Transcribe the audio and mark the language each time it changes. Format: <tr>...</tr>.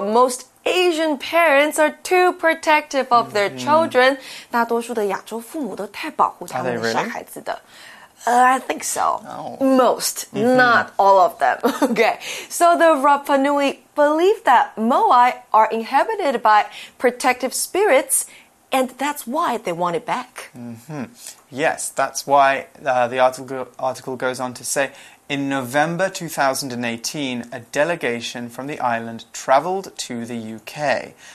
<en>Most Asian parents are too protective of their children.</en> <zh>大多数的亚洲父母都太保护他们的小孩子的。</zh> <en>I think so. Most, not all of them. Okay, so the Rapa Nui believe that Moai are inhabited by protective spirits, and that's why they want it back. Yes, that's why the article goes on to say, in November 2018, a delegation from the island travelled to the UK.</en>